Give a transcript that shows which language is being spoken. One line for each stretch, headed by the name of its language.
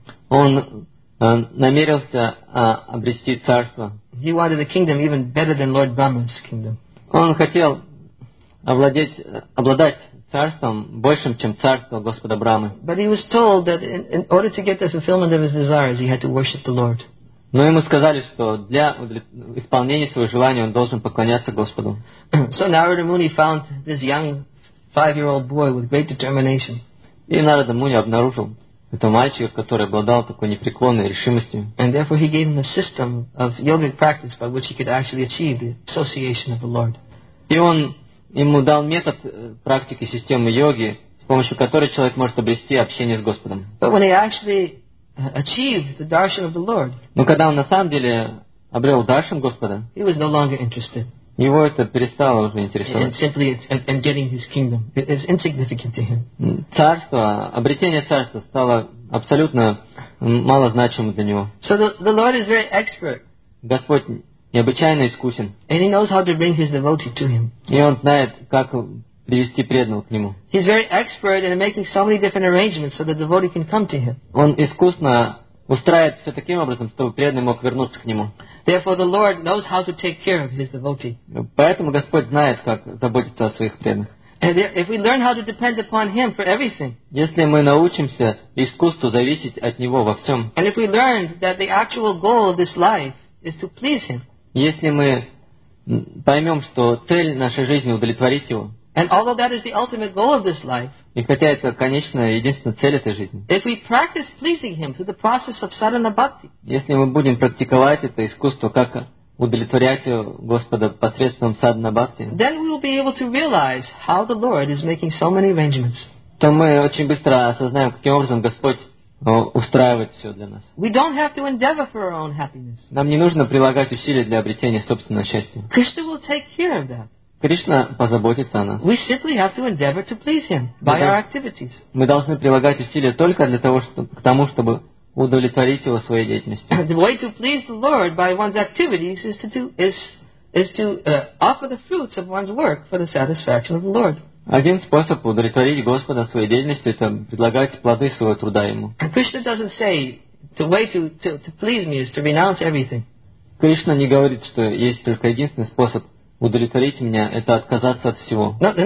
Russian: Он намерился обрести царство.
English: He wanted a kingdom even better than Lord Brahma's kingdom.
Russian: Он хотел обладать царством большим, чем царство Господа Брамы.
English: But he was told that in order to get the fulfillment of his desires, he had to worship the Lord.
Russian: Но ему сказали, что для исполнения своего желания он должен поклоняться Господу.
English: So Narada Muni found this young 5-year-old boy with great determination.
Russian: И Нарада Муни обнаружил этого мальчика, который обладал такой непреклонной решимостью.
English: And therefore he gave him a system of yogic practice by which he could actually achieve the association of the Lord.
Russian: И он ему дал метод практики системы йоги, с помощью которой человек может обрести общение с Господом.
English: But when he actually achieved the darshan of the Lord.
Russian: Но когда он на самом деле обрел даршан Господа,
English: he was no longer interested.
Russian: Его это перестало уже интересовать.
English: And simply in getting his kingdom, it is insignificant to him.
Russian: Царство, обретение царства стало абсолютно малозначимым для него.
English: So the Lord is very expert.
Russian: Господь необычайно искусен.
English: And he knows how to bring his devotee to him.
Russian: И он знает, как привести преданного к нему.
English: He's very expert in making so many different arrangements so the devotee can come to him.
Russian: Он искусно устраивает все таким образом, чтобы преданный мог вернуться к нему.
English: Therefore, the Lord knows how to take care of his devotee.
Russian: Поэтому Господь знает, как заботиться о своих преданных.
English: And if we learn how to depend upon him for everything.
Russian: Если мы научимся искусству зависеть от него во всем.
English: And if we learn that the actual goal of this life is to please him.
Russian: Если мы поймем, что цель нашей жизни — удовлетворить его.
English: And although that is the ultimate goal of this life,
Russian: и хотя это, конечно, единственная цель этой жизни,
English: if we practice pleasing him through the process of sadhana bhakti,
Russian: если мы будем практиковать это искусство, как удовлетворять Господа посредством sadhana bhakti,
English: then we will be able to realize how the Lord is making so many arrangements.
Russian: То мы очень быстро осознаем, каким образом Господь устраивает все для нас.
English: We don't have to endeavor for our own happiness.
Russian: Нам не нужно прилагать усилия для обретения собственного счастья.
English: Krishna will take care of that.
Russian: Кришна позаботится о нас.
English: We simply have to endeavor to please him by our activities.
Russian: Мы должны прилагать усилия только для того, чтобы, к тому, чтобы удовлетворить его своей деятельностью.
English: The way to please the Lord by one's activities is to do, offer the fruits of one's work for the satisfaction of the Lord.
Russian: Один способ удовлетворить Господа своей деятельностью — это предлагать плоды своего труда ему.
English: Krishna doesn't say the way to please me is to renounce everything.
Russian: Кришна не говорит, что есть только единственный способ удовлетворить меня — это отказаться от всего.